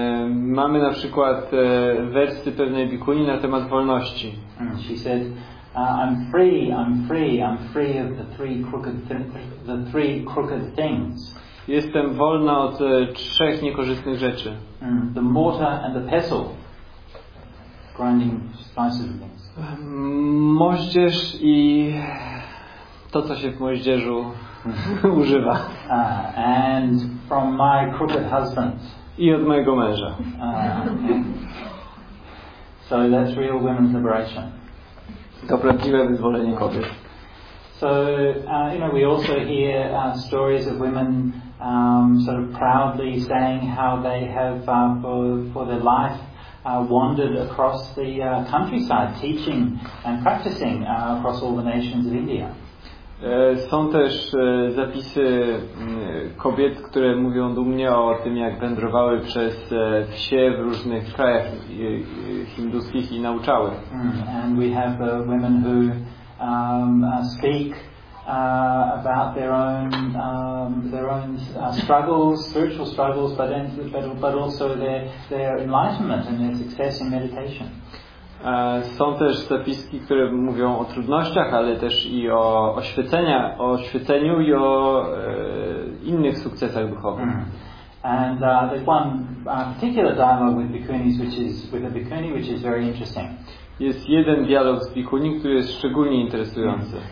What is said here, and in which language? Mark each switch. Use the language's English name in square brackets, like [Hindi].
[Polish] Mamy na przykład wersy pewnej bikuni na temat wolności. [English] She said, I'm free, I'm free, I'm free of the three crooked the three crooked things. [Polish] Jestem wolna od trzech niekorzystnych rzeczy. [English] The mortar and the pestle. Grinding spices and things. [Polish] Moździerz i to, co się w moździerzu używa. [English] And from my crooked husband. [Polish] I od mojego męża. [English] So that's real women's liberation. [Polish] To prawdziwe wyzwolenie kobiet. [English] So, you know, we also hear stories of women sort of proudly saying how they have for their life wandered across the countryside teaching and practicing across all the nations of India. [Polish] Są też zapisy kobiet, które mówią dumnie o tym, jak wędrowały przez wsie w różnych krajach hinduskich i nauczały. [English] And we have women who speak about their own struggles, spiritual struggles, but also their enlightenment and their success in meditation. [Polish] Są też zapiski, które mówią o trudnościach, ale też i o oświeceniu i o innych sukcesach duchowych. [English] And there's one particular dialogue with bikunis, which is very interesting. [Polish] Jest jeden dialog z bikuni, który jest szczególnie interesujący.